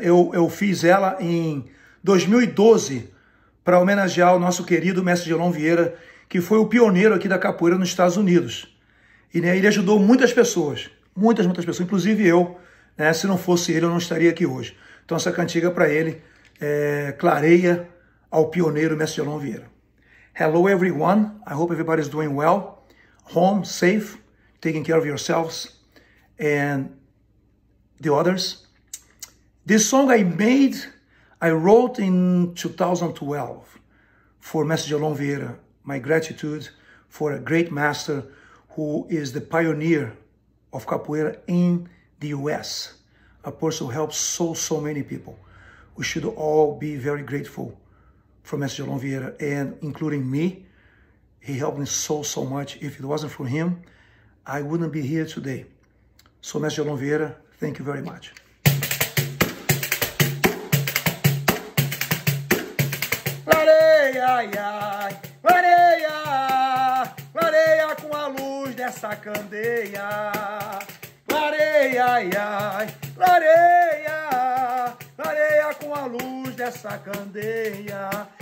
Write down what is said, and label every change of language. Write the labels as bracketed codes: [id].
[pt] Eu fiz ela em 2012 para homenagear o nosso querido Mestre Jelon Vieira, que foi o pioneiro aqui da capoeira nos Estados Unidos. E, né, ele ajudou muitas pessoas, muitas, muitas pessoas, inclusive eu, né, se não fosse ele, eu não estaria aqui hoje. Então essa cantiga para ele. Clareia ao pioneiro Mestre Jelon Vieira. [en] Hello everyone, I hope everybody's doing well, home, safe, taking care of yourselves and the others. This song I wrote in 2012 for Mestre Jelon Vieira, my gratitude for a great master who is the pioneer of capoeira in the US, a person who helps so many people. We should all be very grateful for Mestre Jelon Vieira, and including me. He helped me so much. If it wasn't for him, I wouldn't be here today. So, Mestre Jelon Vieira, thank you very much. [pt] Clareia, ai, ai, clareia, clareia com a luz dessa candeia. Clareia, ai, ai, clareia. Clareia com a luz dessa candeia.